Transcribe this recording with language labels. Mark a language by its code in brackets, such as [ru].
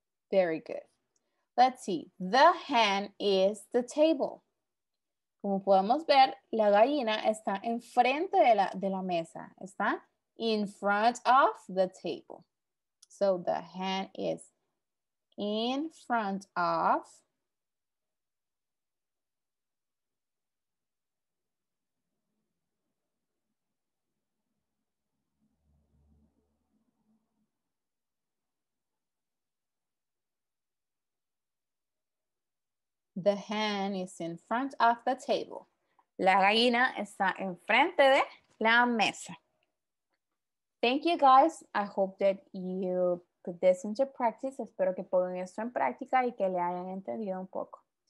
[en] Very good. Let's see. The hen is the table. [es] Como podemos ver, la gallina está enfrente de la mesa. Está [en] in front of the table. So the hen is in front of the hen is in front of the table. [es] La gallina está enfrente de la mesa. [en] Thank you guys. I hope that you put this into practice. [es] Espero que pongan esto en práctica y que le hayan entendido un poco.